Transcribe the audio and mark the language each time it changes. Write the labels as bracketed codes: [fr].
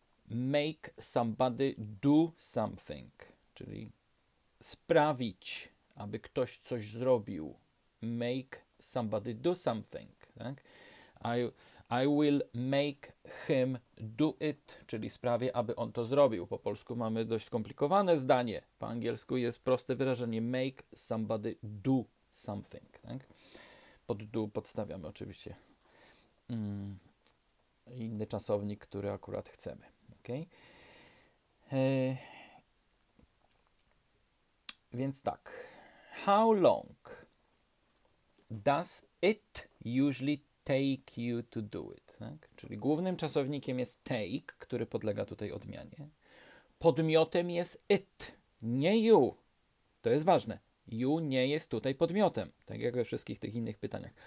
[en] Make somebody do something, [pl] czyli sprawić, aby ktoś coś zrobił. [en] Make somebody do something. [pl] Tak? [en] I will make him do it, [pl] czyli sprawię, aby on to zrobił. Po polsku mamy dość skomplikowane zdanie. Po angielsku jest proste wyrażenie [en] make somebody do something. [pl] Tak? Pod do podstawiamy oczywiście inny czasownik, który akurat chcemy. [en] Okay. [pl] Więc tak. [en] How long does it usually take you to do it. [pl] Tak? Czyli głównym czasownikiem jest take, który podlega tutaj odmianie. Podmiotem jest it, nie you. To jest ważne. You nie jest tutaj podmiotem, tak jak we wszystkich tych innych pytaniach.